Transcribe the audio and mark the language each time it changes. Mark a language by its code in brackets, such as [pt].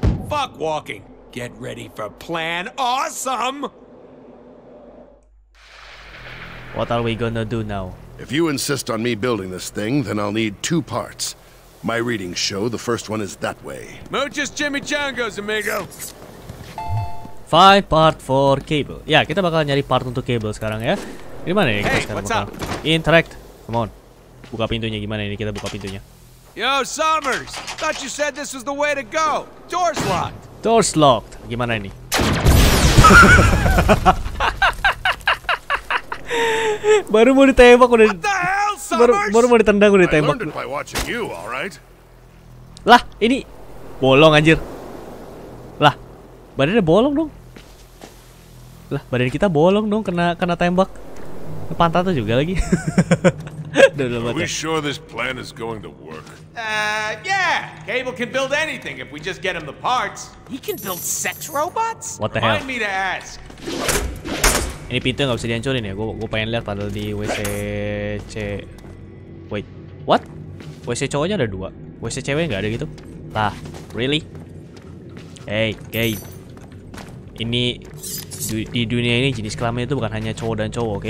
[en] fuck walking. Get ready for plan awesome! What are we gonna do now? If you insist on me building this thing, then I'll need two parts. My readings show the first one is that way. [es] Muchas chimichangas, amigo! [en] Five part for cable. [id] Ya, kita bakal nyari part untuk cable sekarang ya. Gimana ini? [en] Hey, what's up? [id] Interact. [en] Come on. [id] Buka pintunya gimana ini? Kita buka pintunya. [en] Yo, Summers! Thought you said this was the way to go. Door's locked. Doors locked. [id] Gimana ini? Baru mau ditembak udah. [en] What the hell, [id] baru mau ditendang udah ditembak. [en] I learned it by watching you, all right? [id] Lah, ini bolong anjir. Lah, badannya bolong dong. Lah, badan kita bolong dong kena tembak. Pantatnya juga lagi. [en] Are we sure this plan is going to work? Yeah. Cable can build anything if we just get him the parts. He can build sex robots? What the Remind hell? Me to ask. [id] Ini pintu nggak bisa dihancurin ya? Gue pengen lihat padahal di WCC. [en] Wait, what? [id] WC cowoknya ada dua. WC cewek nggak ada gitu? Lah, [en] really? Hey, gay. [id] Ini di dunia ini jenis kelamin itu bukan hanya cowok dan cowok, oke?